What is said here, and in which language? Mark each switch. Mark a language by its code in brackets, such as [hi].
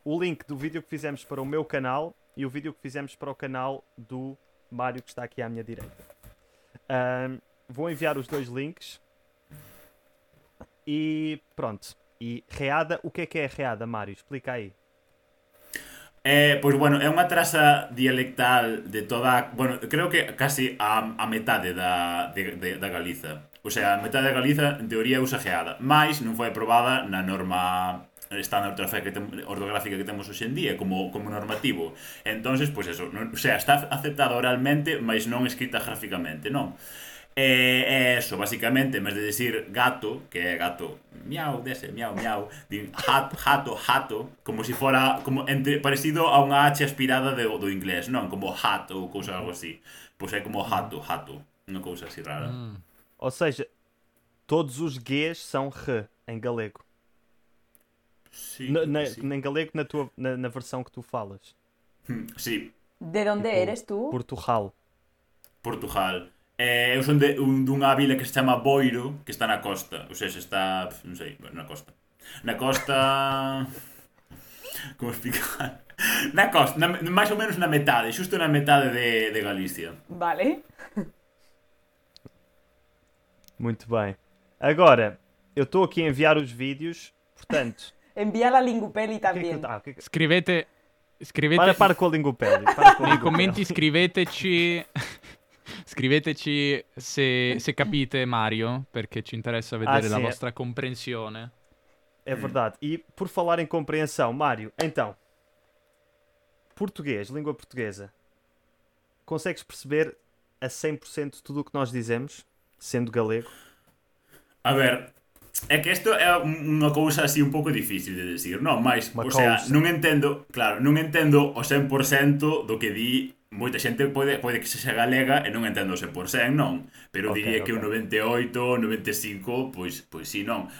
[pt] O link do vídeo que fizemos para o meu canal e o vídeo que fizemos para o canal do Mário que está aqui à minha direita. Vou enviar os dois links. E pronto. E reada, o que é reada, Mário? Explica aí. [gl] Pois, bueno, é unha traza dialectal de toda... Bueno, creo que casi a metade da Galiza. O sea, a metade da Galiza, en teoría, usa reada. Mas non foi aprobada na norma estándar ortográfica que temos hoxendía, como normativo. Entón, pois, eso. Non, o sea, está aceptada oralmente, mas non escrita graficamente, non? Eso, básicamente, en vez de decir gato, que é gato, miau, dese, miau, miau, din hato, como si fora como entre, parecido a unha H aspirada do inglés, non? Como hat ou cousa algo así. Pois é como hato, unha cousa así rara. [pt] Ou seja, todos os Gs são R em galego. Sim. Em galego, na versão que tu falas. Sim. [gl] De onde eres tu? [pt] Portugal. [gl] Eu son dunha vila que se chama Boiro, que está na costa. Ou seja, está, non sei, na costa. Na costa... Como explicar? Na costa, máis ou menos na metade, xusto na metade de Galicia. Vale. [pt] Muito bem. Agora, eu estou aquí a enviar os vídeos, portanto... [gl] Envía a Lingupeli tamén. Escrivete... [pt] Para com a Lingupeli. [it] Nei commenti scriveteci... Scriveteci se capite Mario, perché ci interessa vedere la vostra comprensione. [pt] È verdade. E por falar em compreensão, Mario, então, português, língua portuguesa, consegues perceber a 100% tudo o que nós dizemos, sendo galego? [gl] A ver, É que isto é unha cousa así un pouco difícil de decir, non? Mas, o sea, non entendo, claro, non entendo o 100% do que di. Moita xente pode que sexa galega e non entendo o 100%, non? Pero okay, diría que o 98, 95, pois sí, non?